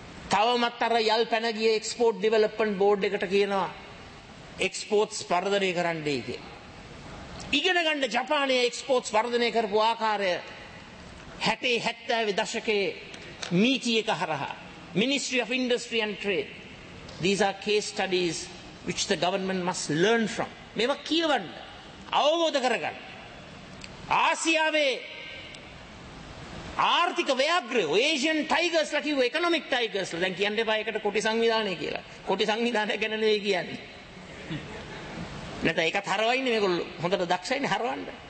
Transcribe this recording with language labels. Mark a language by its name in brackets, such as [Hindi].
[Sinhala] තවමත් අර යල් පැන ගිය එක්ස්පෝර්ට් ඩෙවලොප්මන්ට් බෝඩ් එකට කියනවා එක්ස්පෝර්ට්ස් වර්ධනය කරන්නයි කිය. ඉගෙන ගන්න ජපානයේ එක්ස්පෝර්ට්ස් වර්ධනය කරපු ආකාරය 60-70 දශකයේ මීටියක හරහා Ministry of Industry and Trade. [English] These are case studies which the government must learn from. [Sinhala] මේව කියවන්න, අවබෝධ කරගන්න. ආසියාවේ ආර්ථික ව්‍යාපෘතිය Asian Tigers ලා කිව්ව Economic Tigers ලා දැන් කියන්න එපා ඒකට කොටි සංවිධානය කියලා. කොටි සංවිධානය ගැන නෙවෙයි කියන්නේ. නැත්නම් ඒකත් හරවන්නේ මේගොල්ලෝ හොඳට දක්ෂයිනේ හරවන්න.